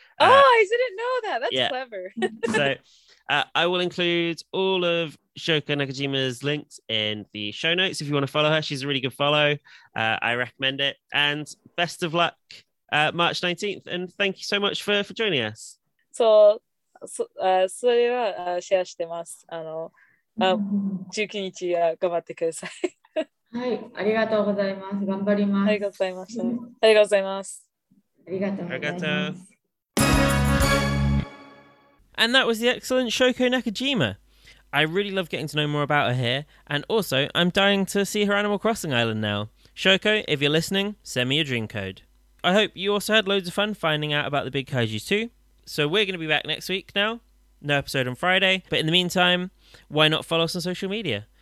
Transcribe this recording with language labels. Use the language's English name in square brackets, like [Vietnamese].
[English] I didn't know that. That's clever. So I will include all of Shoko Nakajima's links in the show notes if you want to follow her. She's a really good follow. I recommend it. And best of luck March 19th. And thank you so much for joining us. So. [Japanese] それはシェアしてます。19日は頑張ってください。はい、ありがとうございます。頑張ります。ありがとうございます。ありがとうございます。ありがとうございます。 [English] And that was the excellent Shoko Nakajima. I really love getting to know more about her here, and also I'm dying to see her Animal Crossing Island now. Shoko, if you're listening, send me your dream code. I hope you also had loads of fun finding out about the big kaiju too. So we're going to be back next week now. No episode on Friday. But in the meantime, why not follow us on social media?